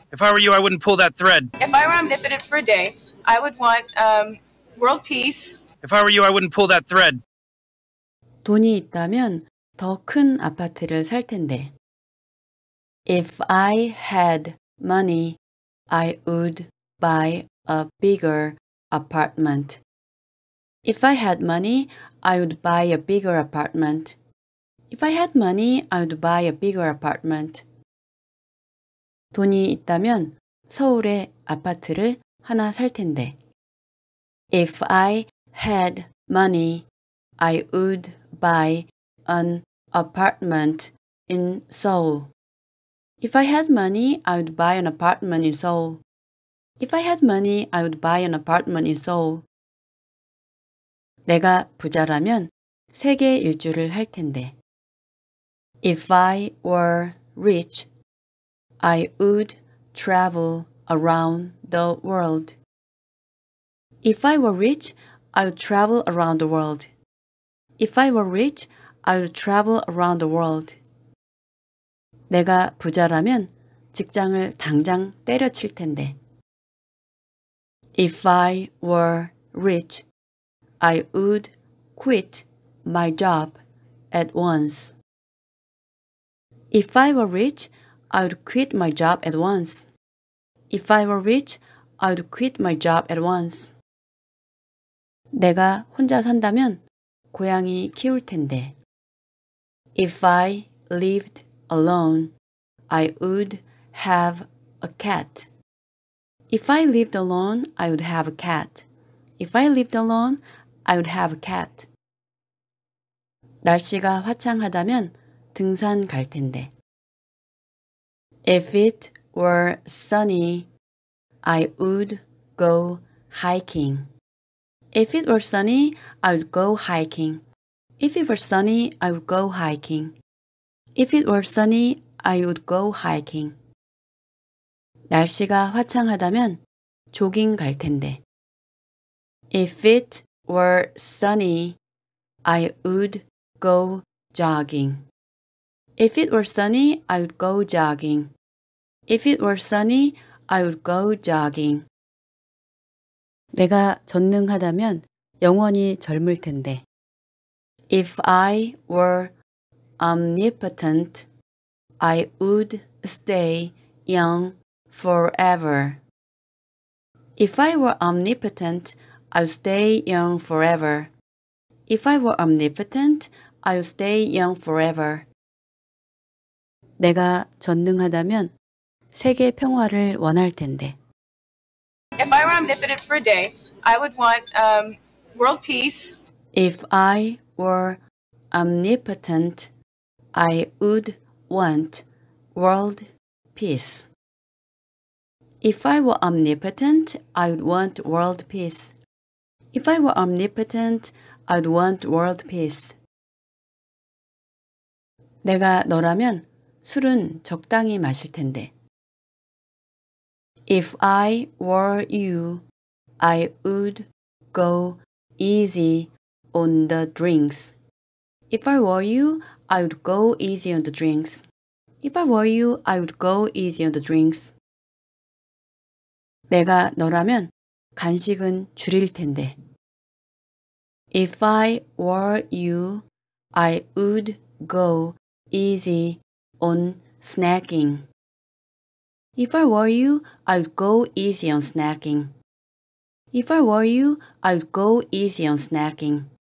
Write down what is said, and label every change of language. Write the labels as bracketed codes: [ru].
[en] If I were you, I wouldn't pull that thread. If I were omnipotent for a day, I would want world peace. If I were you, I wouldn't pull that thread. [ko] 돈이 있다면 더 큰 아파트를 살 텐데. [en] If I had money, I would buy a bigger apartment. If I had money, I would buy a bigger apartment. If I had money, I would buy a bigger apartment. [ko] 돈이 있다면 서울에 아파트를 하나 살 텐데. [en] If I had money, I would buy an apartment in Seoul. If I had money, I would buy an apartment in Seoul. If I had money, I would buy an apartment in Seoul. [ko] 내가 부자라면 세계 일주를 할 텐데. [en] If I were rich, I would travel around the world. If I were rich, I would travel around the world. If I were rich, I would travel around the world. [ko] 내가 부자라면 직장을 당장 때려칠 텐데. [en] If I were rich, I would quit my job at once. If I were rich, I would quit my job at once. If I were rich, I would quit my job at once. [ko] 내가 혼자 산다면 고양이 키울 텐데. [en] If I lived alone, I would have a cat. If I lived alone, I would have a cat. If I lived alone, I would have a cat. [ko] 날씨가 화창하다면 등산 갈 텐데. [en] If it were sunny, I would go hiking. If it were sunny, I would go hiking. If it were sunny, I would go hiking. If it were sunny, I would go hiking. [ko] 날씨가 화창하다면 조깅 갈 텐데. [en] If it were sunny, I would go jogging. If it were sunny, I would go jogging. If it were sunny, I would go jogging. [ko] 내가 전능하다면 영원히 젊을 텐데. [en] If I were omnipotent, I would stay young forever. If I were omnipotent, I would stay young forever. If I were omnipotent, I would stay young forever. [ko] 내가 전능하다면 세계 평화를 원할 텐데. [en] If I were omnipotent for a day, I would want world peace. If I were omnipotent, I would want world peace. If I were omnipotent, I would want world peace. If I were omnipotent, I would want world peace. [ko] 내가 너라면 술은 적당히 마실 텐데. [en] If I were you, I would go easy on the drinks. If I were you, I would go easy on the drinks. If I were you, I would go easy on the drinks. [ko] 내가 너라면 간식은 줄일 텐데. [en] If I were you, I would go easy on snacking. If I were you, I would go easy on snacking. If I were you, I would go easy on snacking.